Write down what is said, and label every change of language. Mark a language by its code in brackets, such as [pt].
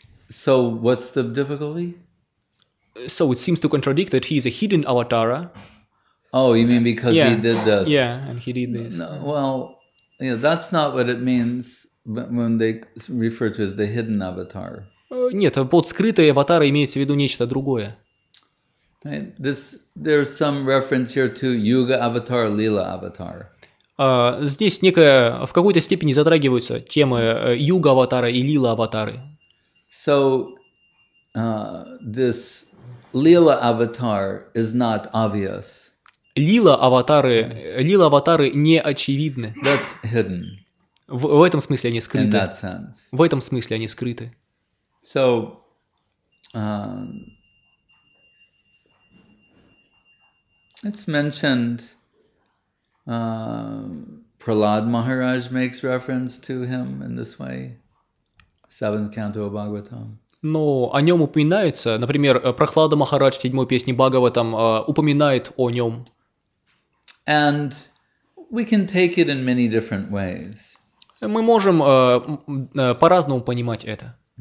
[en] So what's the difficulty? So it seems to contradict that he is a hidden avatara. Oh, you mean because yeah. he did this? Yeah, and he did this. No, well, yeah, that's not what it means when they refer to as the hidden avatar. [ru] Нет, под скрытый аватар имеется в виду нечто другое. [en] There's some reference here to Yuga avatar, Lila avatar. [ru] Здесь некая, в какой-то степени затрагиваются темы Юга аватара и Лила аватары. [en] So, this Lila avatar is not obvious. [ru] Лила аватары не очевидны. [en] That's hidden. [ru] В этом смысле они скрыты. [en] In that sense. [ru] В этом смысле они скрыты. [en] So, it's mentioned. Prahlad Maharaj makes reference to him in this way. Seventh canto of Bhagavatam. [ru] Но о нем упоминается, например, Прохлада Махарадж, седьмой песни Бхагаватам, упоминает о нем. [en] And we can take it in many different ways. [ru] Мы можем по-разному понимать это.